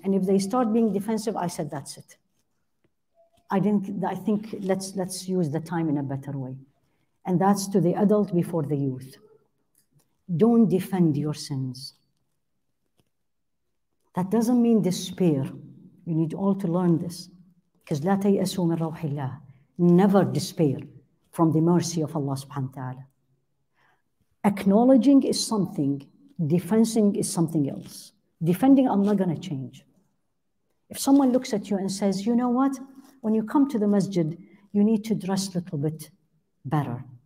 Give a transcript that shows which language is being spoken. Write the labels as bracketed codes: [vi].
[en] And if they start being defensive, I said, that's it. I think let's use the time in a better way. And that's to the adult before the youth. Don't defend your sins. That doesn't mean despair. You need all to learn this. Because [ar] لا تيأسوا من روح الله. [en] Never despair from the mercy of Allah subhanahu wa ta'ala. Acknowledging is something. Defending is something else. Defending, I'm not going to change. If someone looks at you and says, you know what? When you come to the masjid, you need to dress a little bit better.